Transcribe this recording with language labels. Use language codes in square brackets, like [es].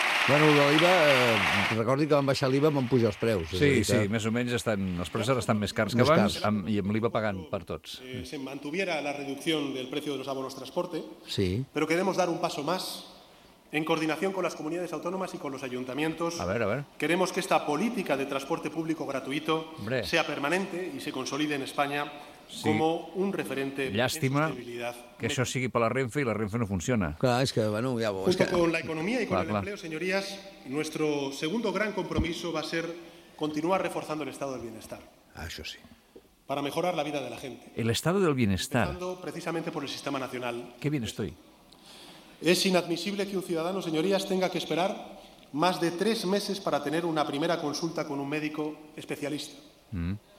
[ca] Bueno, l'IVA, recordi que van baixar l'IVA, van pujar els preus. Sí, sí, que... més o menys estan, els preus estan més cars que abans, i amb l'IVA pagant per tots. [es] Se mantuviera la reducción del precio de los abonos transporte, sí. Pero queremos dar un paso más en coordinación con las comunidades autónomas y con los ayuntamientos. A ver, a ver. Queremos que esta política de transporte público gratuito, hombre, sea permanente y se consolide en España, sí, como un referente. [ca] Llàstima en sostenibilitat. Que això sigui per la Renfe i la Renfe no funciona. Clar, és que, bueno, ja ho... [es] Junto que... con la economía y con [ca] clar, el clar. [es] Empleo, señorías, nuestro segundo gran compromiso va a ser continuar reforzando el estado del bienestar. [ca] Això sí. [es] Para mejorar la vida de la gente. El estado del bienestar. Empezando precisamente por el sistema nacional. Qué bien estoy. Es inadmisible que un ciudadano, señorías, tenga que esperar más de 3 meses para tener una primera consulta con un médico especialista. Mm.